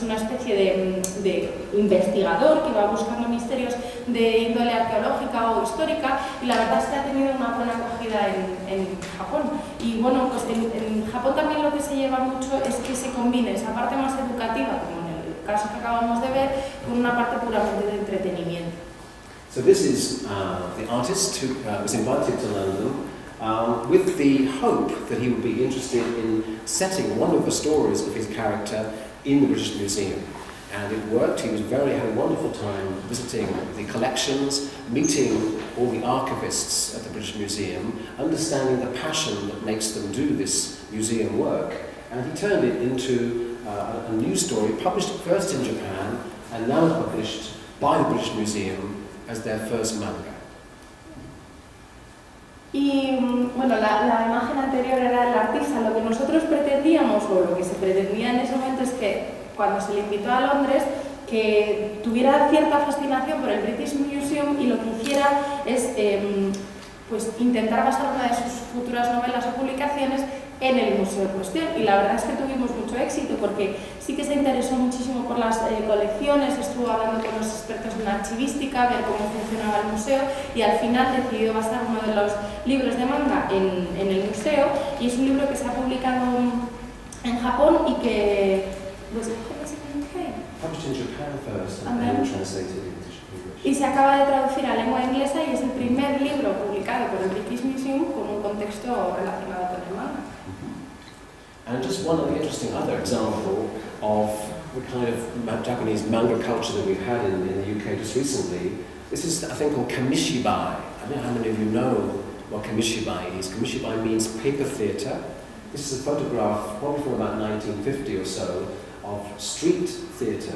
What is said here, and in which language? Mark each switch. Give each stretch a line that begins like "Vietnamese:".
Spanish: Es una especie de investigador que va buscando misterios de índole arqueológica o histórica, y la verdad es que ha tenido una buena acogida en Japón. Y bueno, pues en Japón también lo que se lleva mucho es que se combine esa parte más educativa, como en el caso que acabamos de ver, con una parte puramente de entretenimiento.
English: So this is the artist who was invited to London with the hope that he would be interested in setting one of the stories of his character in the British Museum. And it worked. He was very had a wonderful time visiting the collections, meeting all the archivists at the British Museum, understanding the passion that makes them do this museum work. And he turned it into a new story, published first in Japan and now published by the British Museum as their first manga.
Spanish: Y bueno, la imagen anterior era el artista. Lo que nosotros pretendíamos, o lo que se pretendía en ese momento, es que cuando se le invitó a Londres, que tuviera cierta fascinación por el British Museum y lo que hiciera es pues intentar basar una de sus futuras novelas o publicaciones en el museo en cuestión. Y la verdad es que tuvimos mucho éxito porque sí que se interesó muchísimo por las colecciones, estuvo hablando con los expertos en archivística, ver cómo funcionaba el museo y al final decidió basar uno de los libros de manga en el museo. Y es un libro que se ha publicado en Japón y que... ¿Cómo se publicó? Y se acaba de traducir a lengua inglesa y es el primer libro publicado por el British Museum con un contexto relacionado con el manga.
English: And just one of the interesting other example of the kind of Japanese manga culture that we've had in the UK just recently, this is a thing called kamishibai. I don't know how many of you know what kamishibai is. Kamishibai means paper theatre. This is a photograph probably from about 1950 or so of street theatre.